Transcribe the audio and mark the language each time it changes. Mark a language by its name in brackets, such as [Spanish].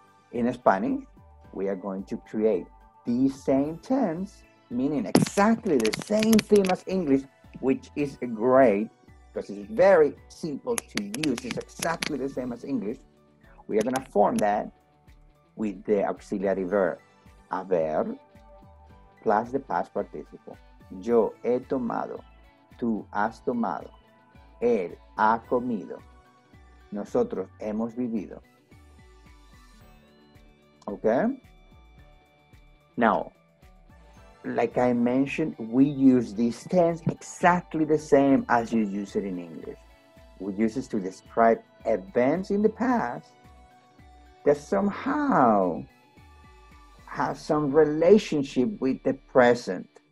[English] In Spanish, we are going to create the same tense, meaning exactly the same theme as English, which is great, because it's very simple to use. It's exactly the same as English. We are gonna form that with the auxiliary verb haber plus the past participle. [Spanish] Yo he tomado, tú has tomado, él ha comido, nosotros hemos vivido. [English] Okay? Now, like I mentioned, we use this tense exactly the same as you use it in English. We use it to describe events in the past that somehow have some relationship with the present.